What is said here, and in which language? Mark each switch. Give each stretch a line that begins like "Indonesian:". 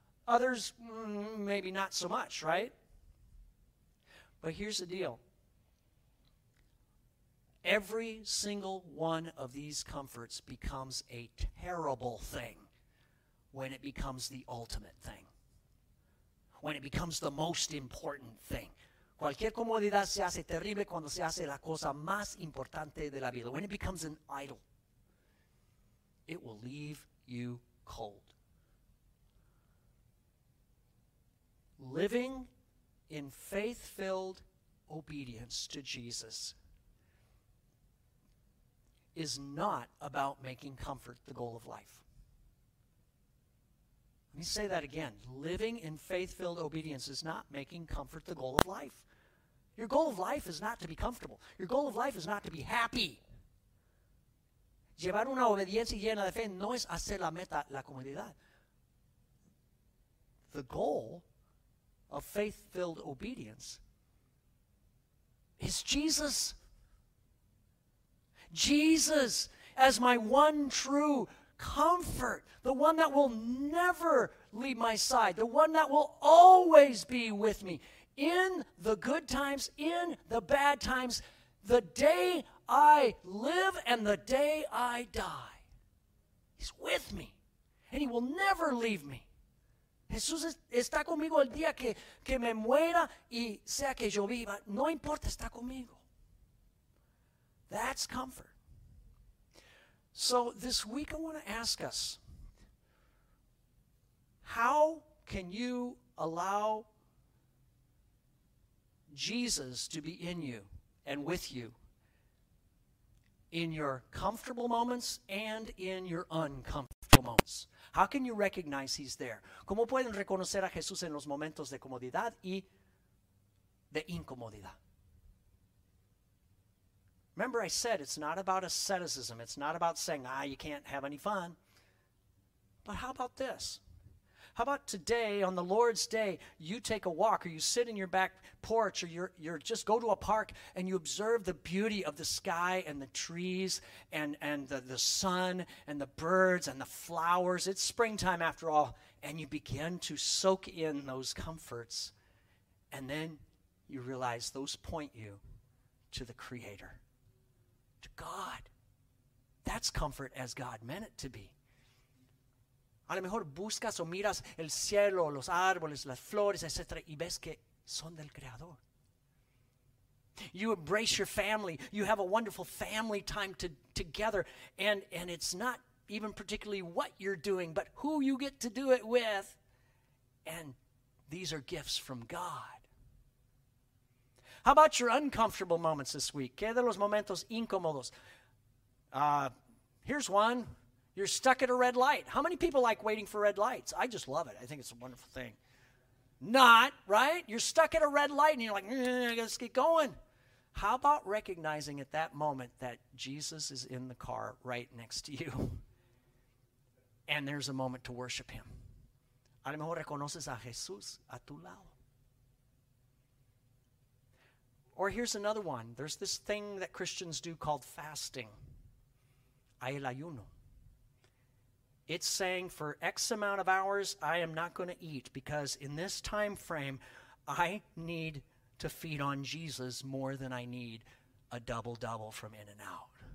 English: Others, maybe not so much, right? But here's the deal. Every single one of these comforts becomes a terrible thing when it becomes the ultimate thing, when it becomes the most important thing.
Spanish: Cualquier comodidad se hace terrible cuando se hace la cosa más importante de la vida.
English: When it becomes an idol, it will leave you cold. Living in faith-filled obedience to Jesus is not about making comfort the goal of life. Let me say that again. Living in faith-filled obedience is not making comfort the goal of life. Your goal of life is not to be comfortable. Your goal of life is not to be happy.
Spanish: Llevar una obediencia llena de fe no es hacer la meta, la comodidad.
English: The goal of faith-filled obedience is Jesus. Jesus as my one true comfort, the one that will never leave my side, the one that will always be with me. In the good times, in the bad times, the day I live and the day I die, he's with me, and he will never leave me.
Spanish: Jesús está conmigo el día que me muera y sea que yo viva. No importa, está conmigo.
English: That's comfort. So this week I want to ask us, how can you allow Jesus to be in you and with you in your comfortable moments and in your uncomfortable moments? How can you recognize he's there?
Spanish: ¿Cómo pueden reconocer a Jesús en los momentos de comodidad y de incomodidad?
English: Remember I said it's not about asceticism. It's not about saying, you can't have any fun. But how about this? How about today, on the Lord's Day, you take a walk or you sit in your back porch or you're just go to a park and you observe the beauty of the sky and the trees and the sun and the birds and the flowers. It's springtime after all. And you begin to soak in those comforts. And then you realize those point you to the Creator, to God. That's comfort as God meant it to be.
Spanish: A lo mejor buscas o miras el cielo, los árboles, las flores, etc. y ves que son del Creador.
English: You embrace your family. You have a wonderful family time together. And it's not even particularly what you're doing, but who you get to do it with. And these are gifts from God. How about your uncomfortable moments this week?
Spanish: ¿Qué de los momentos incómodos?
English: Here's one. You're stuck at a red light. How many people like waiting for red lights? I just love it. I think it's a wonderful thing. Not, right? You're stuck at a red light and you're like, let's get going. How about recognizing at that moment that Jesus is in the car right next to you and there's a moment to worship him?
Spanish: A lo mejor reconoces a Jesús a tu lado.
English: Or here's another one. There's this thing that Christians do called fasting.
Spanish: Hay el ayuno.
English: It's saying for X amount of hours, I am not going to eat because in this time frame, I need to feed on Jesus more than I need a double-double from In-N-Out.